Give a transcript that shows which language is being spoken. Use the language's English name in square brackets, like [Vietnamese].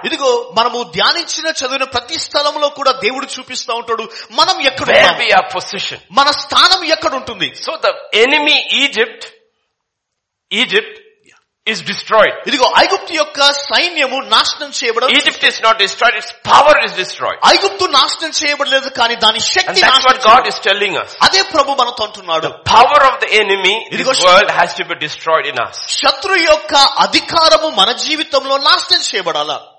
[Telugu] ఇదిగో మనము ధ్యానించిన చదివిన ప్రతి స్థలంలో కూడా దేవుడు చూపిస్తూ ఉంటాడు మనం ఎక్కడ ఉన్నాం. [English] Where we are positioned. [Telugu] మన స్థానం ఎక్కడ ఉంటుంది. [English] So the enemy Egypt, Egypt is destroyed. [Telugu] ఇదిగో ఐగుప్తు యొక్క సైన్యము నాశనం చేయబడదు. [English] Egypt is not destroyed, its power is destroyed. [Telugu] ఐగుప్తు నాశనం చేయబడలేదు కానీ దాని శక్తి నాశనం. [English] That's what God is telling us. [Telugu] అదే ప్రభు మనతో అంటున్నాడు. [English] The power of the enemy, this world has to be destroyed in us. [Telugu] శత్రు యొక్క అధికారము మన జీవితంలో నాశనం చేయబడాలి.